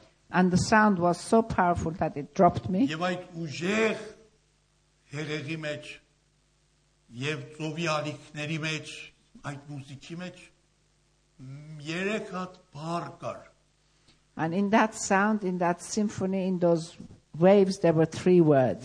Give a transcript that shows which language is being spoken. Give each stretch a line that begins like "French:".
English: And the sound was so powerful that it dropped me.
Armenian: Եվ այդ ուժեղ հեղեղի մեջ եւ ծովի ալիքների մեջ այդ մուզիկի մեջ երեք հատ բառ կար.
English: And in that sound, in that symphony, in those waves, there were three words.